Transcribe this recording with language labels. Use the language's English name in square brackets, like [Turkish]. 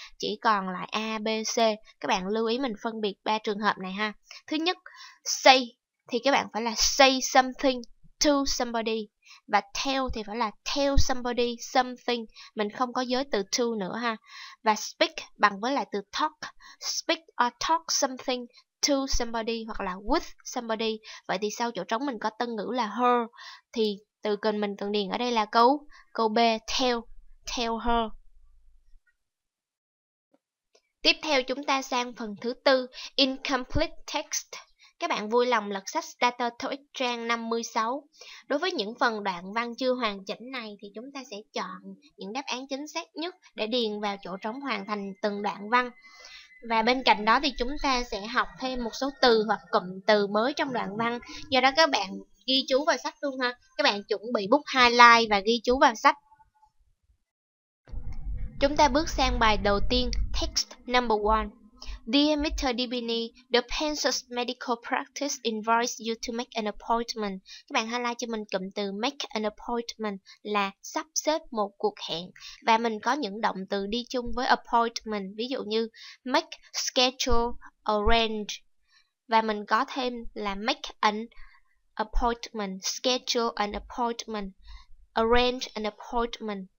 [Vietnamese] Chỉ còn lại A, B, C. Các bạn lưu ý mình phân biệt ba trường hợp này ha. Thứ nhất, say thì các bạn phải là [English] say something to somebody. [Vietnamese] Và tell thì phải là [English] tell somebody something. [Vietnamese] Mình không có giới từ to nữa ha. Và speak bằng với lại từ talk. [English] Speak or talk something to somebody [Vietnamese] hoặc là [English] with somebody. [Vietnamese] Vậy thì sau chỗ trống mình có tân ngữ là her. Thì từ cần mình cần điền ở đây là câu B, tell her. Tiếp theo chúng ta sang phần thứ tư, incomplete text. Các bạn vui lòng lật sách StarterTOEIC trang 56. Đối với những phần đoạn văn chưa hoàn chỉnh này thì chúng ta sẽ chọn những đáp án chính xác nhất để điền vào chỗ trống hoàn thành từng đoạn văn. Và bên cạnh đó thì chúng ta sẽ học thêm một số từ hoặc cụm từ mới trong đoạn văn. Do đó các bạn ghi chú vào sách luôn ha. Các bạn chuẩn bị bút highlight và ghi chú vào sách. Chúng ta bước sang bài đầu tiên, text number 1. [English] Dear Mr. Dibini, the pencil's medical practice invites you to make an appointment. [Vietnamese] Các bạn highlight cho mình cụm từ make an appointment là sắp xếp một cuộc hẹn. Và mình có những động từ đi chung với appointment, ví dụ như make, schedule, arrange. Và mình có thêm là make an appointment, schedule an appointment, arrange an appointment.